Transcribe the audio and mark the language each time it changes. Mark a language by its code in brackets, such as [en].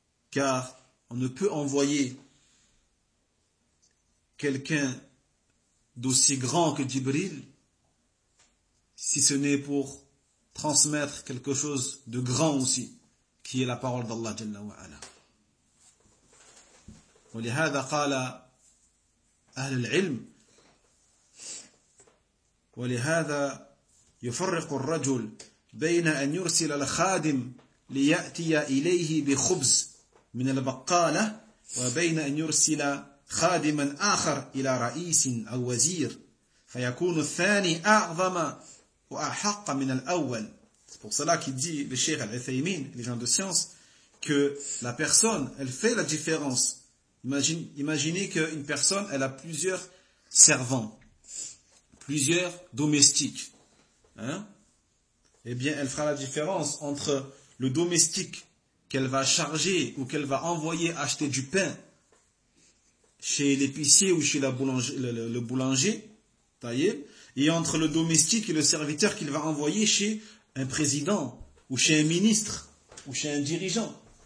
[fr] Car on ne peut envoyer quelqu'un d'aussi grand que Jibril si ce n'est pour transmettre quelque chose de grand aussi, qui est la parole d'Allah [ar] Jalla wa Ala. ولهذا قال أهل العلم ولهذا يفرق الرجل بين أن يرسل الخادم ليأتي إليه بخبز من البقالة وبين أن يرسل خادما آخر إلى رئيس أو وزير فيكون الثاني أعظم وأحق من الأول. [fr] C'est pour cela qu'il dit le Cheikh Al-Uthaymeen, les gens de science, que la personne, elle fait la différence. Imaginez qu'une personne, elle a plusieurs servants, plusieurs domestiques. Hein? Eh bien, elle fera la différence entre le domestique qu'elle va charger ou qu'elle va envoyer acheter du pain chez l'épicier ou chez la boulanger, le boulanger, taillé, et entre le domestique et le serviteur qu'il va envoyer chez un président ou chez un ministre ou chez un dirigeant.